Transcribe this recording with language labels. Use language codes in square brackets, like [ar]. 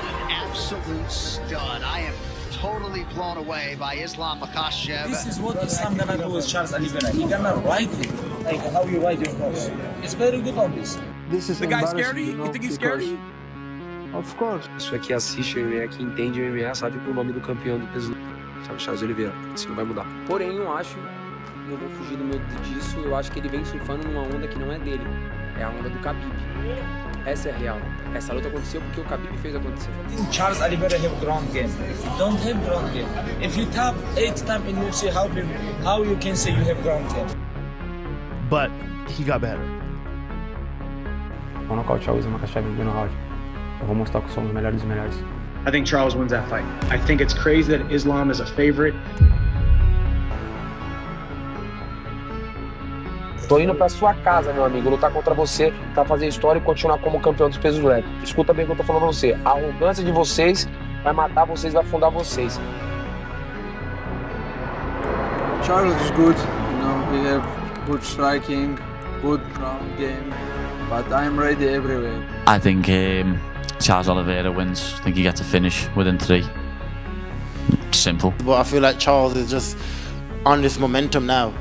[en] Absolute stud. I am totally blown away by Islam Makhachev. This is what Islam gonna do with Charles Oliveira. He's gonna ride him. Like, how you ride your horse? It's very good, obviously. This is the guy scared of you? You think he's scared of you? Of course. [pt] A pessoa que assiste o MMA, que entende o MMA, sabe que o nome do campeão do peso é o Charles Oliveira. Isso não vai mudar. Porém, eu acho, não vou fugir do medo disso, eu acho que ele vem surfando numa onda que não é dele. É a onda do Khabib. Essa é a real. Essa luta aconteceu porque o Khabib fez acontecer. [en] Charles Oliveira have ground game. Don't have ground game. If you tap 8 times in UFC, how you can say you have ground game? But he got better. [pt] Vou nocautear o Islam Makhachev no primeiro round. Eu vou mostrar que eu sou um dos melhores dos melhores. [en] I think Charles wins that fight. I think it's crazy that Islam is a favorite. [pt] Tô indo pra sua casa, meu amigo, lutar contra você pra fazer história e continuar como campeão dos pesos leve. Escuta bem o que eu tô falando pra você. A arrogância de vocês vai matar vocês, vai afundar vocês. [en] Charles is good, you know, he have good striking, good ground game, but I'm ready everywhere. I think Charles Oliveira wins. I think he gets a finish within 3. Simple. But I feel like Charles is just on this momentum now.